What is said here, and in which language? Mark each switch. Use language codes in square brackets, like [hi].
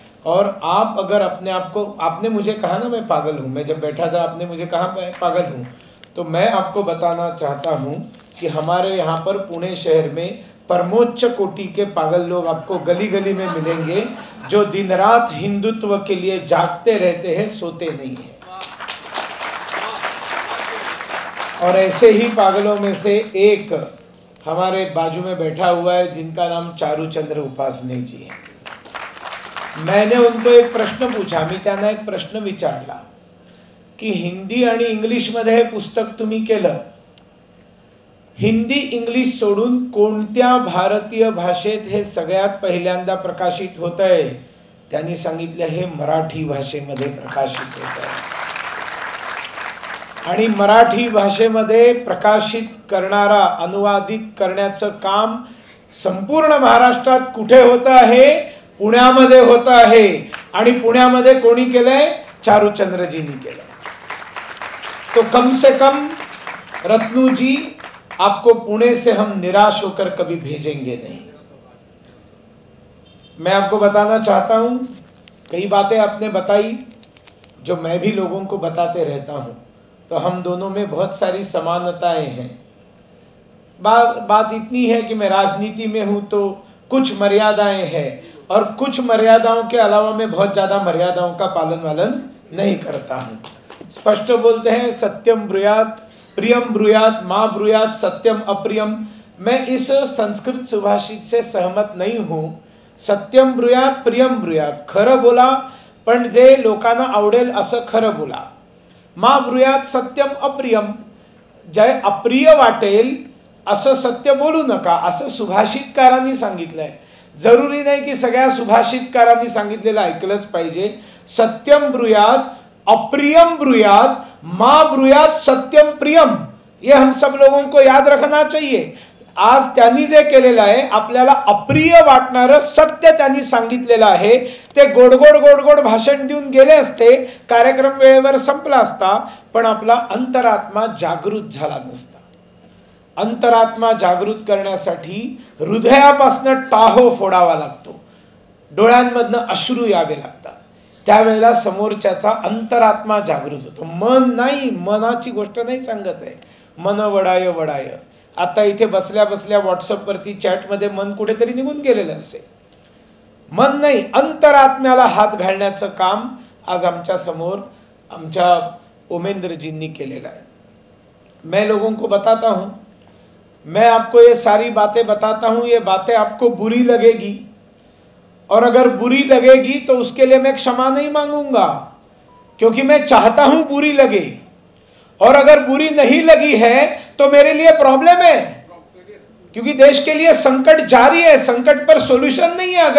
[hi] और आप अगर अपने आप को, आपने मुझे कहा ना मैं पागल हूँ, मैं जब बैठा था आपने मुझे कहा मैं पागल हूँ, तो मैं आपको बताना चाहता हूँ कि हमारे यहाँ पर पुणे शहर में परमोच्च कोटि के पागल लोग आपको गली गली में मिलेंगे, जो दिन रात हिंदुत्व के लिए जागते रहते हैं, सोते नहीं है। और ऐसे ही पागलों में से एक हमारे बाजू में बैठा हुआ है, जिनका नाम चारू चंद्र उपासने जी है। मैंने उनको एक प्रश्न पूछा, [mr] मी त्यांना एक प्रश्न विचारला कि हिंदी आणि इंग्लिश मध्ये हे पुस्तक तुम्ही केलं, हिंदी इंग्लिश सोडून कोणत्या भारतीय भाषेत हे सगळ्यात पहिल्यांदा प्रकाशित होतंय? त्यांनी सांगितलं हे मराठी भाषेमध्ये प्रकाशित होतंय, आणि मराठी भाषेमध्ये प्रकाशित करणारा, अनुवादित करण्याचं काम संपूर्ण महाराष्ट्रात कुठे होतं आहे? पुण्यामध्ये होतं आहे, आणि पुण्यामध्ये कोणी केलंय? चारूचंद्रजींनी केलंय। [hi] तो कम से कम रत्नूजी, आपको पुणे से हम निराश होकर कभी भेजेंगे नहीं। मैं आपको बताना चाहता हूं, कई बातें आपने बताई जो मैं भी लोगों को बताते रहता हूं, तो हम दोनों में बहुत सारी समानताएं हैं। बात इतनी है कि मैं राजनीति में हूं तो कुछ मर्यादाएं हैं, और कुछ मर्यादाओं के अलावा मैं बहुत ज्यादा मर्यादाओं का पालन वालन नहीं करता हूं। स्पष्ट बोलते हैं, [sa] सत्यम ब्रूयात प्रियम ब्रूयात मा ब्रूयात सत्यम अप्रियम। [hi] मैं इस संस्कृत सुभाषित से सहमत नहीं हूं, [sa] सत्यम ब्रूयात प्रियम ब्रूयात [mr] खर बोला, पण जे लोकांना आवडेल असं खर बोला। [sa] मा ब्रूयात सत्यम अप्रियम, [mr] जय अप्रिय वाटेल असं सत्य बोलू नका, असं सुभाषितकारांनी सांगितलंय। जरूरी नाही की सगळ्या सुभाषितकारांनी सांगितलेलं ऐकलंच पाहिजे। [sa] सत्यम ब्रूयात अप्रियम ब्रूयात मा ब्रूयात सत्यम प्रियम, [hi] ये हम सब लोगों को याद रखना चाहिए। [mr] आज त्यांनी जे केलेलं आहे, आपल्याला अप्रिय वाटणारं सत्य त्यांनी सांगितलेलं आहे, ते गोडगोड गोडगोड भाषण देऊन गेले असते, कार्यक्रम वेळेवर संपला असता, पण आपला अंतरात्मा जागृत झाला नसता। अंतरात्मा जागृत करण्यासाठी हृदयापासनं टाहो फोडावा लागतो, डोळ्यांमधनं अश्रू यावे लागतात, त्यावेळेला समोरच्याचा अंतरात्मा जागृत होतो। मन नाही, मनाची गोष्ट नाही सांगत आहे, मन वडाय वडाय। आता इथे बसल्या बसल्या व्हॉट्सअपवरती चॅटमध्ये मन कुठेतरी निघून गेलेलं असेल। मन नाही, अंतरात्म्याला हात घालण्याचं काम आज आमच्या समोर आमच्या उमेंद्रजींनी केलेलं आहे। [hi] मैं लोगों को बताता हूँ, मैं आपको ये सारी बातें बताता हूँ, ये बातें आपको बुरी लगेगी, और अगर बुरी लगेगी तो उसके लिए मैं क्षमा नहीं मांगूंगा, क्योंकि मैं चाहता हूं बुरी लगे, और अगर बुरी नहीं लगी है तो मेरे लिए प्रॉब्लम है, क्योंकि देश के लिए संकट जारी है, संकट पर सॉल्यूशन नहीं है।